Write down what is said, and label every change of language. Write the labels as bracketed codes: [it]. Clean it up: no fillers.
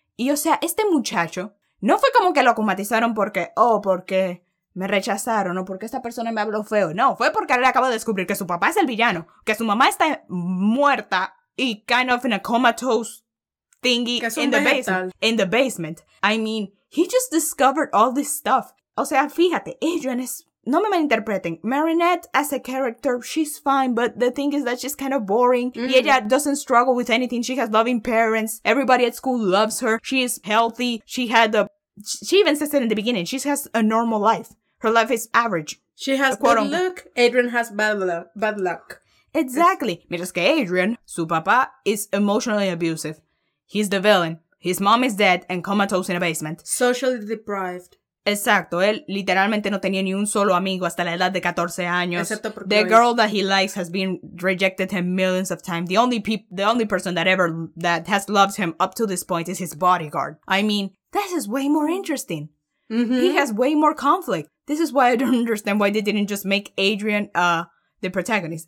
[es] Y, o sea, este muchacho no fue como que lo acumatizaron porque, oh, porque me rechazaron o porque esta persona me habló feo. No, fue porque él acaba de descubrir que su papá es el villano, que su mamá está muerta y [en] kind of in a comatose thingy [es] que es un [en] in the basement. In the basement. I mean, he just discovered all this stuff. [es] O sea, fíjate, Adrian es... No me malinterpreten. [en] Marinette, as a character, she's fine, but the thing is that she's kind of boring. Mm-hmm. [es] Y ella [en] doesn't struggle with anything. She has loving parents. Everybody at school loves her. She is healthy. She even says it in the beginning. She has a normal life. Her life is average. She has good luck. Adrian has bad luck. Exactly. [es] Mientras que Adrian, su papá, [en] is emotionally abusive. He's the villain. His mom is dead and comatose in a basement. Socially deprived. [es] Exacto, él literalmente no tenía ni un solo amigo hasta la edad de 14 años. Excepto por Chloe. [en] The girl that he likes has been rejected him millions of times. The only person that has loved him up to this point is his bodyguard. I mean, this is way more interesting. Mm-hmm. He has way more conflict. This is why I don't understand why they didn't just make Adrian the protagonist.